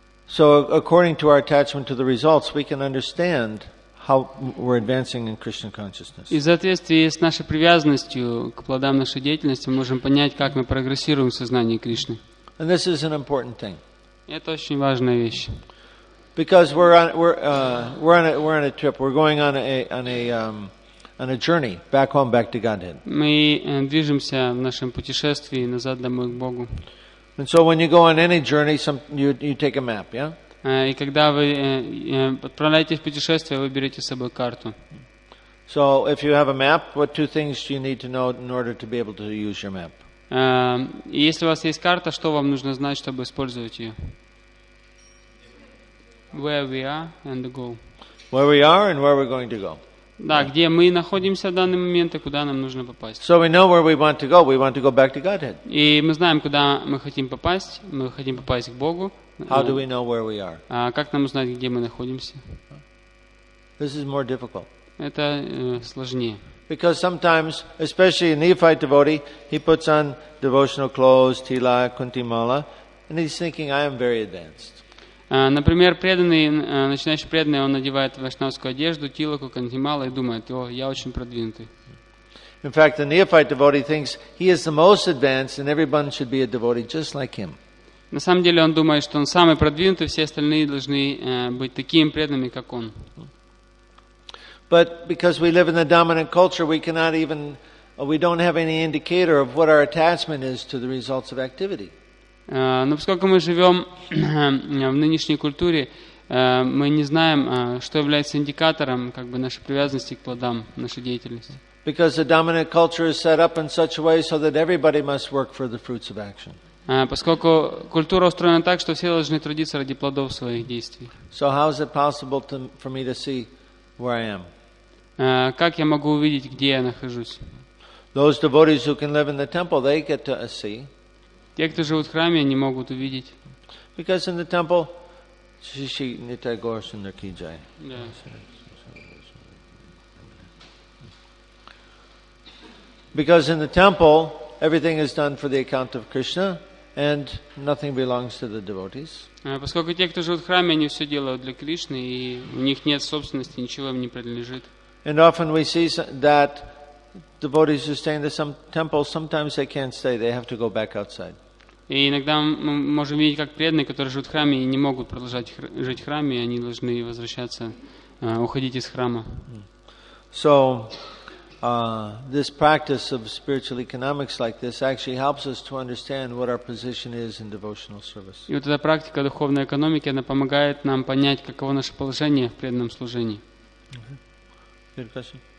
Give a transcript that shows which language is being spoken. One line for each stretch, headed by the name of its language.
English: So according to our attachment to the results, we can understand how we're advancing in Christian consciousness.
Russian: И в соответствии с нашей привязанностью к плодам нашей деятельности мы можем понять, как мы прогрессируем в сознании Кришны.
English: And this is an important thing.
Russian: Это очень важная вещь.
English: Because we're on a trip. We're going on a journey back home, back to Godhead.
Russian: Мы движемся в нашем путешествии назад домой к Богу.
English: And so when you go on any journey, you take a map, yeah?
Russian: И когда вы отправляетесь в путешествие, вы берете с собой карту.
English: So if you have a map, what two things do you need to know in order to be able to use your map?
Russian: И если у вас есть карта, что вам нужно знать, чтобы использовать ее?
English: Where we are and go. Where we are and where we're going to go.
Russian: Да, где мы находимся в данный момент и куда нам нужно попасть.
English: So we know where we want to go. We want to go back to Godhead.
Russian: И мы знаем, куда мы хотим попасть. Мы хотим попасть к Богу.
English: How do we know where we are?
Russian: А как нам узнать, где мы находимся?
English: This is more difficult.
Russian: Это сложнее.
English: Because sometimes, especially a neophyte devotee, he puts on devotional clothes, tila, kunti mala, and he's thinking, I am very advanced.
Russian: Например, преданный, начинающий преданный, он надевает вайшнавскую одежду, тилаку, кантимала и думает, о, я очень продвинутый.
English: In fact, the neophyte devotee thinks he is the most advanced and everyone should be a devotee just like him.
Russian: На самом деле он думает, что он самый продвинутый, все остальные должны быть такими преданными, как он.
English: But because we live in the dominant culture, we don't have any indicator of what our attachment is to the results of activity.
Russian: Но поскольку мы живем в нынешней культуре, мы не знаем, что является индикатором как бы, нашей привязанности к плодам нашей деятельности.
English: Because the dominant culture is set up in such a way so that everybody must work for the fruits of action.
Russian: Поскольку культура устроена так, что все должны трудиться ради плодов своих действий.
English: So how is it possible for me to see where I am?
Russian: Как я могу увидеть, где я нахожусь?
English: Those devotees who can live in the temple, they get to see.
Russian: Те, кто живут в храме, они могут увидеть.
English: Because in the temple,
Hindi: Shishi Nitai Gaur Sundar Ki Jai.
English: Because in the temple, everything is done for the account of Krishna, and nothing belongs to the devotees.
Russian: Поскольку те, кто живут в храме, они все делают для Кришны, и у них нет собственности, ничего им не принадлежит.
English: And often we see that devotees who stay in the temple, sometimes they can't stay, they have to go back outside.
Russian: И иногда мы можем видеть, как преданные, которые живут в храме, и не могут продолжать жить в храме, и они должны возвращаться, уходить из храма.
English: So, this practice of spiritual economics like this actually helps us to understand what our position is in devotional service.
Russian: И вот эта практика духовной экономики, она помогает нам понять, каково наше положение в преданном служении.
English: Good question.